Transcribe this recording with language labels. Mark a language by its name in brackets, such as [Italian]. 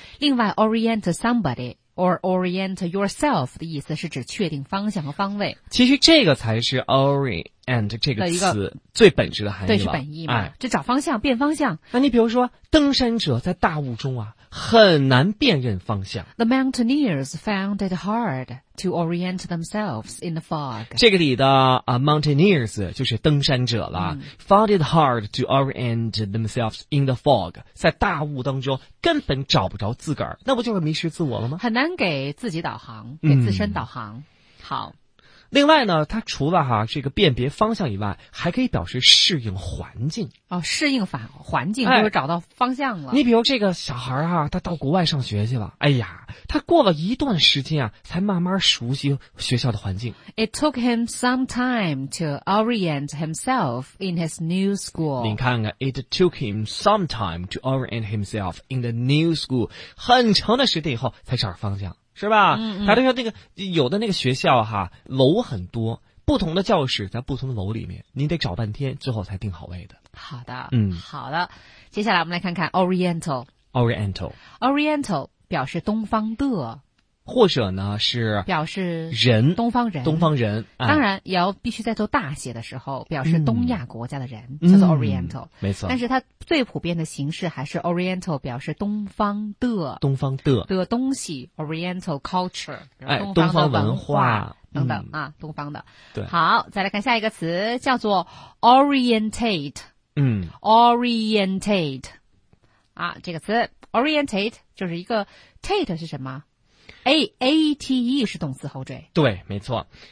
[Chinese] 另外 ， [English] orient somebody or orient yourself [Chinese] 的意思是指确定方向和方位。其实这个才是 orient 这个词最本质的含义了，对，是本意嘛？哎，就找方向、变方向。那你比如说，登山者在大雾中啊，很难辨认方向。 [English] The mountaineers found it hard to orient themselves in the fog. [Chinese] 这个里的mountaineers 就是登山者了。 [English] Found it hard to orient themselves in the fog. [Chinese] 在大雾当中根本找不着自个儿，那不就是迷失自我了吗？很难给自己导航，给自身导航。好。另外呢，它除了哈这个辨别方向以外，还可以表示适应环境。哦，适应反环境就是找到方向了。哎，你比如这个小孩哈，他到国外上学去了，哎呀，他过了一段时间啊，才慢慢熟悉学校的环境。 [English] It took him some time to orient himself in his new school. [Chinese] 你看看 [English] ，It took him some time to orient himself in the new school. [Chinese] 很长的时间以后才找方向。是吧？他就说那个有的那个学校哈，楼很多，不同的教室在不同的楼里面，你得找半天，最后才定好位的。好的，好的。接下来我们来看看 Oriental。 [English] Oriental。 [Chinese] Oriental 表示东方的，或者呢是表示人，东方人，东方人。哎，当然也要必须在做大写的时候表示东亚国家的人，叫做 Oriental。没错。但是它最普遍的形式还是 Oriental 表示东方的，东方的的东西 ， [English] Oriental culture， [Chinese] 哎，东方文化等等啊，东方的。对。好，再来看下一个词，叫做 orientate。 orientate 啊，这个词 orientate 就是一个 tate 是什么？ A-A-T-E 是动词后缀。对，没错。